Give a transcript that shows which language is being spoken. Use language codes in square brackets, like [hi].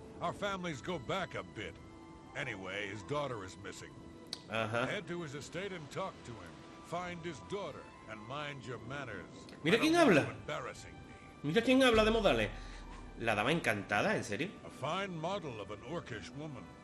[en] Our families go back a bit. Anyway, his daughter is missing. Ajá. Head to his estate and talk to him. Find his daughter and mind your manners. [es] Mira quién habla. Mira quién habla de modales. La dama encantada, ¿en serio? [en] A fine model of an orcish woman.